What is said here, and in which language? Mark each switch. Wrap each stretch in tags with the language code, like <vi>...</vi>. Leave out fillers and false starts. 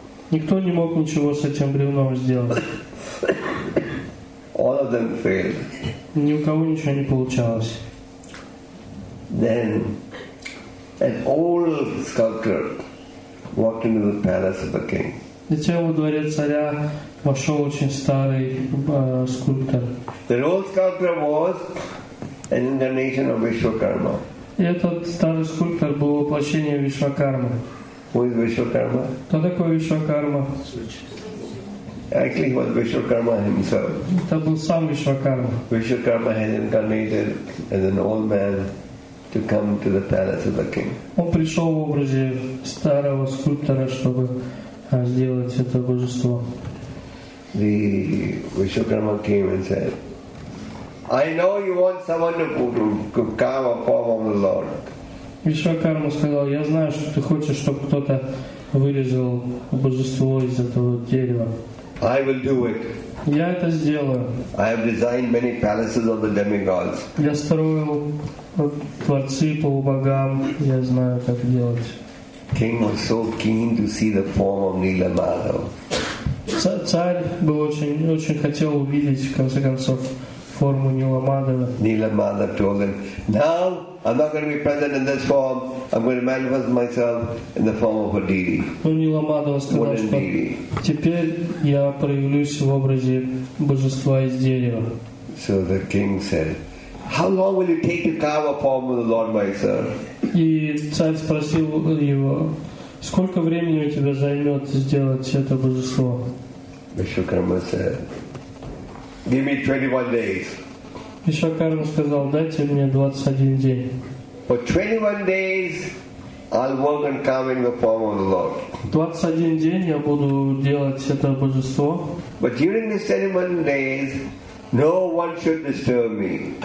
<ru>Никто не мог ничего с этим бревном сделать.</ru> <en>All of them failed.</en> <ru>Ни у кого ничего не получалось.</ru> <en>Then an old sculptor walked into the palace of the king.</en> <ru>Затем во дворец царя вошел очень старый скульптор.</ru> <en>The old sculptor was an incarnation of Vishwakarma.</en> <ru>Этот старый скульптор был воплощением Вишвакармы.</ru> <en>Who is Vishwakarma?</en> <ru>Кто такой Вишвакарма?</ru> <en>Actually, he was Vishwakarma himself.</en> <ru>Это был сам Вишвакарма.</ru> <en>Vishwakarma had incarnated as an old man to come to the palace of the king.</en> <ru>Он пришел в образе старого скульптора, чтобы сделать это божество.</ru> <en>The Vishwakarma came and said, "I know you want someone to carve a form of the Lord."</en> <ru>Вишвакарма сказал, "Я знаю, что ты хочешь, чтобы кто-то вырезал божество из этого дерева."</ru> <en>I will do it.</en> <ru>Я это сделаю.</ru> <en>I have designed many palaces of the demigods.</en> <ru>Я строил дворцы полубогам. Я знаю, как делать.</ru> <en>King was so keen to see the form of Nila Madhav.</en> <ru>Царь был очень хотел увидеть, в конце концов, форму Нила Мадхава.</ru> <en>Nila Madhav told him, "Now I'm not going to be present in this form. I'm going to manifest myself in the form of a deity."</en> <ru>Но Нила Мадхава сказал, что теперь я проявлюсь в образе божества из дерева.</ru> <en>So the king said, "How long will it take to carve a form of the Lord, my sir?"</en> <ru>И царь спросил его, сколько времени у тебя займет сделать это божество?</ru> <en>Вишвакарма said, "Give me 21 days."</en> <ru>Вишвакарма сказал, дайте мне 21 день.</ru> <en>For 21 days, I'll work on carving the form of the Lord.</en> <ru>21 день я буду делать это божество.</ru> <en>But during these 21 days, no one should disturb me.</en>